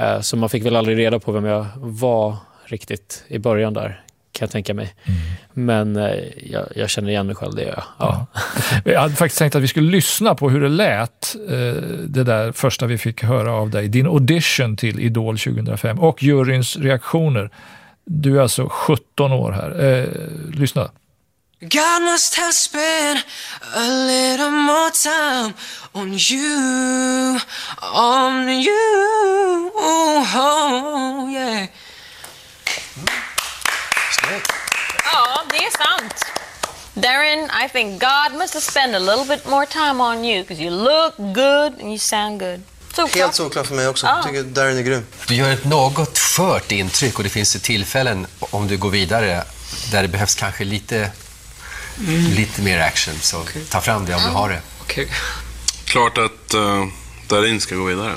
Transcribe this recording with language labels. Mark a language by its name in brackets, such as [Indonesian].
[Swedish] Så man fick väl aldrig reda på vem jag var riktigt i början där, kan jag tänka mig. Mm. Men jag känner igen mig själv, det gör jag. Ja. Ja. Jag hade faktiskt tänkt att vi skulle lyssna på hur det lät, det där första vi fick höra av dig. Din audition till Idol 2005 och juryns reaktioner. Du är alltså 17 år här. Lyssna. [English] God must have spent a little more time on you, on you. Oh, yeah. [Swedish] Ja, det är sant. [English] Darin, I think God must have spent a little bit more time on you because you look good and you sound good. [Swedish] Såklart. Helt såklart för mig också. Jag tycker Darin är grym. Du gör ett något skört intryck, och det finns tillfällen om du går vidare där det behövs kanske lite lite mer action, så ta fram det om du har det. [English] Okay. [Swedish] Klart att Darin ska gå vidare.